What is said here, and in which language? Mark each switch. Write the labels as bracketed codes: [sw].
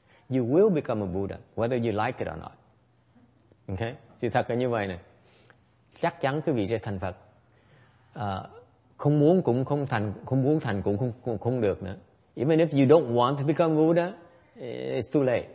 [en] You will become a Buddha whether you like it or not. [vi] Okay? Thì thật là như vậy này. Chắc chắn quý vị sẽ thành Phật. Không muốn cũng không thành, không muốn thành cũng không được nữa. [en] Even if you don't want to become Buddha, it's too late.